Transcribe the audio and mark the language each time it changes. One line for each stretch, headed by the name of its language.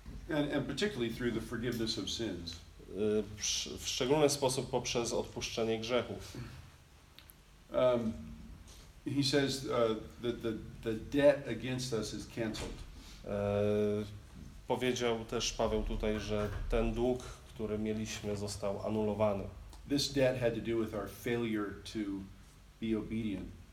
English: And particularly through the forgiveness of sins.
Polish: W szczególny sposób poprzez odpuszczenie grzechów.
English: He says that the debt against us is canceled.
Polish: Powiedział też Paweł tutaj, że ten dług, który mieliśmy, został anulowany.
English: This debt had to do with our failure to be obedient.